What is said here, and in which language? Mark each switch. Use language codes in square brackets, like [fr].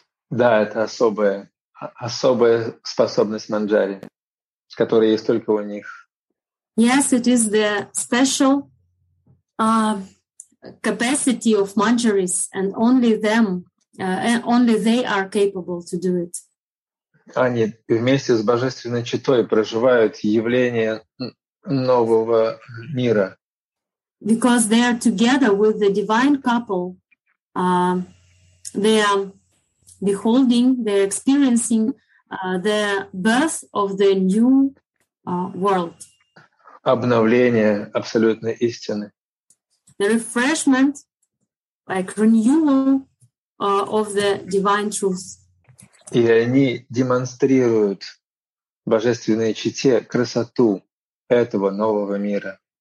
[ru] Да, это особая способность Манджари, которая есть только у них. [en] Yes, it is the special capacity of Manjaris, and only them. Only they are capable to do it. [ru] Они вместе с божественной читой проживают явление нового мира. [en] Because they are together with the divine couple, they are beholding, they are experiencing the birth of the new world. [ru] Обновление абсолютной истины. [en] The refreshment, like renewal. Of the divine truth. [ru] И они демонстрируют божественной чите красоту этого нового мира.